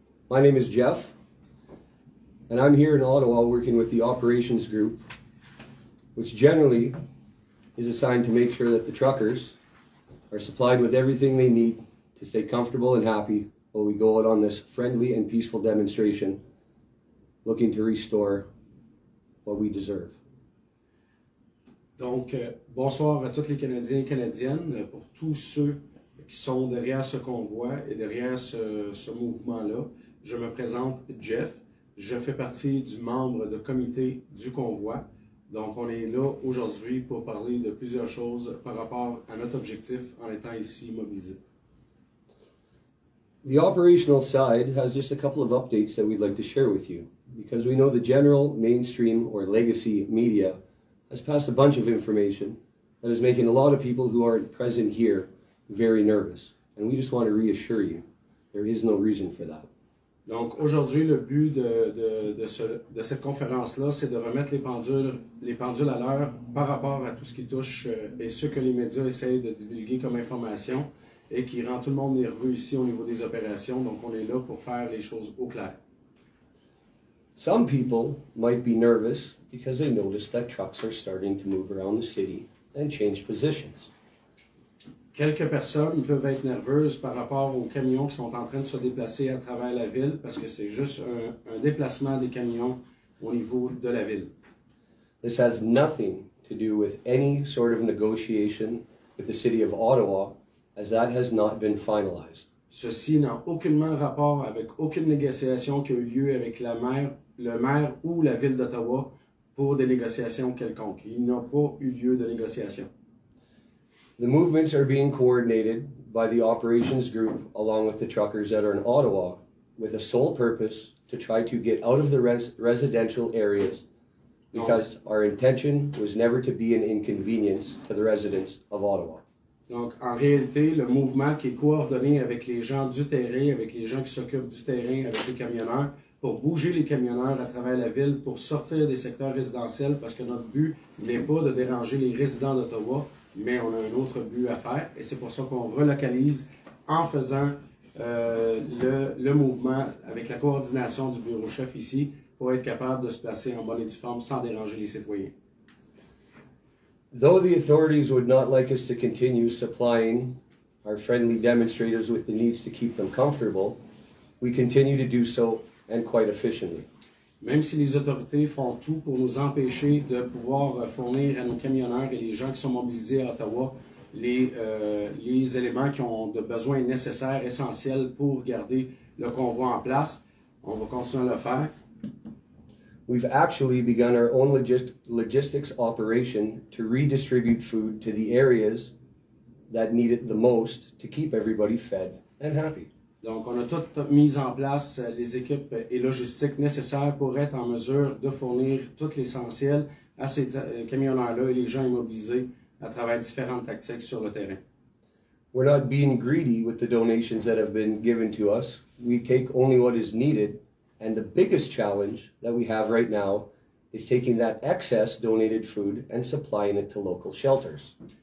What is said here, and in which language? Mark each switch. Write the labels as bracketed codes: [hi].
[en] My name is Jeff, and I'm here in Ottawa working with the operations group, which generally is assigned to make sure that the truckers are supplied with everything they need to stay comfortable and happy while we go out on this friendly and peaceful demonstration looking to restore what we deserve. [fr] Donc, bonsoir à tous les Canadiens et Canadiennes, pour tous ceux qui sont derrière ce convoi et derrière ce mouvement-là. Je me présente Jeff. Je fais partie du membre de comité du convoi. Donc, on est là aujourd'hui pour parler de plusieurs choses par rapport à notre objectif en étant ici mobilisé. [en] The operational side has just a couple of updates that we'd like to share with you, because we know the general mainstream or legacy media has passed a bunch of information that is making a lot of people who aren't present here very nervous. And we just want to reassure you, there is no reason for that. [fr] Donc aujourd'hui, le but de cette conférence-là, c'est de remettre les pendules à l'heure par rapport à tout ce qui touche et ce que les médias essayent de divulguer comme information et qui rend tout le monde nerveux ici au niveau des opérations. Donc on est là pour faire les choses au clair. [en] Some people might be nervous because they notice that trucks are starting to move around the city and change positions. [fr] Quelques personnes peuvent être nerveuses par rapport aux camions qui sont en train de se déplacer à travers la ville parce que c'est juste un déplacement des camions au niveau de la ville. [en] This has nothing to do with any sort of negotiation with the city of Ottawa, as that has not been finalized. [fr] Ceci n'a aucunement rapport avec aucune négociation qui a eu lieu avec le maire ou la ville d'Ottawa pour des négociations quelconques. Il n'a pas eu lieu de négociation. [en] The movements are being coordinated by the operations group along with the truckers that are in Ottawa with a sole purpose to try to get out of the residential areas because our intention was never to be an inconvenience to the residents of Ottawa. [fr] Donc, en réalité, le mouvement qui est coordonné avec les gens du terrain, avec les gens qui s'occupent du terrain, avec les camionneurs, pour bouger les camionneurs à travers la ville, pour sortir des secteurs résidentiels, parce que notre but n'est pas de déranger les résidents d'Ottawa, mais on a un autre but à faire, et c'est pour ça qu'on relocalise en faisant le mouvement avec la coordination du bureau chef ici, pour être capable de se placer en bonne et due forme sans déranger les citoyens. [en] Though the authorities would not like us to continue supplying our friendly demonstrators with the needs to keep them comfortable, we continue to do so and quite efficiently. [fr] Même si les autorités font tout pour nous empêcher de pouvoir fournir à nos camionneurs et les gens qui sont mobilisés à Ottawa les éléments qui ont de besoins nécessaires, essentiels pour garder le convoi en place, on va continuer à le faire. [en] We've actually begun our own logistics operation to redistribute food to the areas that need it the most to keep everybody fed and happy. [fr] Donc, on a tout mis en place les équipes et logistiques nécessaires pour être en mesure de fournir tout l'essentiel à ces camionneurs-là et les gens immobilisés à travers différentes tactiques sur le terrain. [en] We're not being greedy with the donations that have been given to us. We take only what is needed. And the biggest challenge that we have right now is taking that excess donated food and supplying it to local shelters.